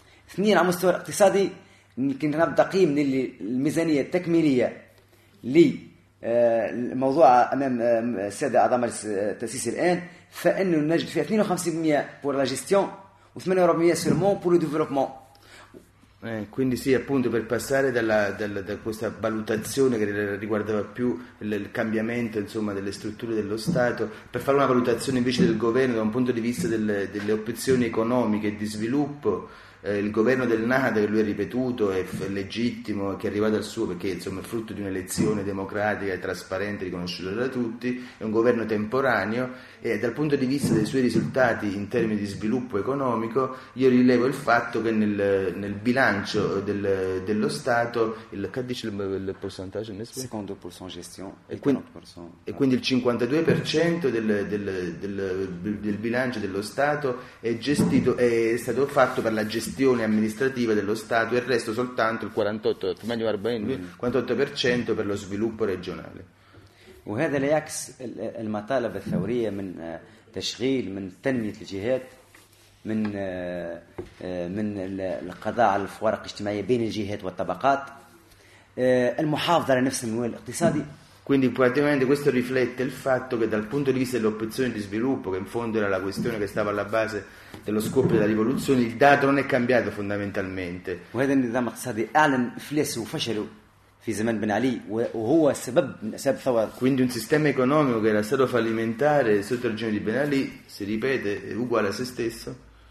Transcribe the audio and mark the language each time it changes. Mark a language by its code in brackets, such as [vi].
[ar] اثنين على مستوى الاقتصادي يمكن نبدأ قيم للميزانية التكميلية للموضوع أمام السادة أعضاء مجلس التأسيس الآن فإنه نجد فيها 52% [fr] pour la gestion [ar] و 48% [fr] seulement pour le développement. [it] Quindi sì, appunto per passare da questa valutazione che riguardava più il cambiamento insomma delle strutture dello Stato, per fare una valutazione invece del governo da un punto di vista delle opzioni economiche e di sviluppo, il governo del NADA che lui ha ripetuto è legittimo, che è arrivato al suo perché insomma è frutto di un'elezione democratica e trasparente riconosciuta da tutti, è un governo temporaneo e dal punto di vista dei suoi risultati in termini di sviluppo economico io rilevo il fatto che nel bilancio dello Stato che dice il percentage? Secondo il percentage gestion e quindi il 52% del bilancio dello Stato è stato fatto per la gestione amministrativa dello Stato e il resto soltanto il 48% per lo sviluppo regionale. [ar] وهذا لا يعكس المطالب الثورية من تشغيل من تنمية الجهات من القضاء على الفوارق الاجتماعية بين الجهات والطبقات المحافظة على نفس المنوال الاقتصادي. [it] Quindi praticamente questo riflette il fatto che dal punto di vista delle opzioni di sviluppo, che in fondo era la questione che stava alla base dello scopo della rivoluzione, il dato non è cambiato fondamentalmente. [ar] وهذا النظام الاقتصادي أعلن إفلاسه وفشله في زمان بن علي وهو سبب من أسباب الثورة. [it] Quindi un sistema economico che era stato fallimentare sotto il regime di Ben Ali si ripete uguale a se stesso.